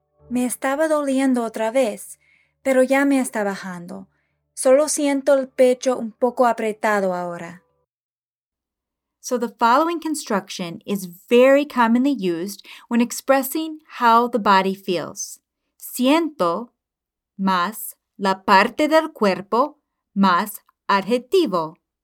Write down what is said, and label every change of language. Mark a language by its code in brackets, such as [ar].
[es] Me estaba doliendo otra vez, pero ya me está bajando. Solo siento el pecho un poco apretado ahora. [en] So the following construction is very commonly used when expressing how the body feels. [es] Siento más la parte del cuerpo más adjetivo.